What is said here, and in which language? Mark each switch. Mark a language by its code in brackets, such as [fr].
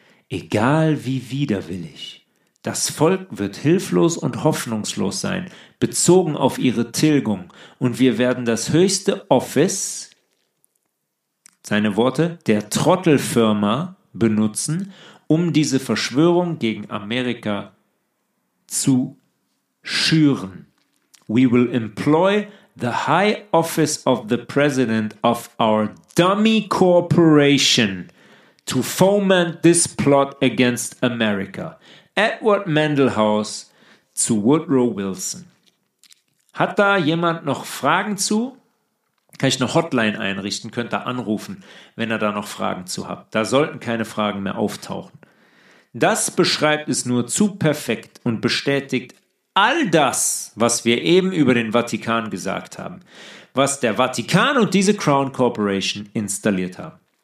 [de] Egal wie widerwillig. Das Volk wird hilflos und hoffnungslos sein, bezogen auf ihre Tilgung. Und wir werden das höchste Office, seine Worte, der Trottelfirma benutzen, um diese Verschwörung gegen Amerika zu schüren. [en] We will employ the high office of the president of our dummy corporation to foment this plot against America. [de] Edward Mandelhaus zu Woodrow Wilson. Hat da jemand noch Fragen zu? Kann ich eine Hotline einrichten? Könnt ihr anrufen, wenn ihr da noch Fragen zu habt. Da sollten keine Fragen mehr auftauchen. Das beschreibt es nur zu perfekt und bestätigt all das, was wir eben über den Vatikan gesagt haben, was der Vatikan und diese Crown Corporation installiert haben.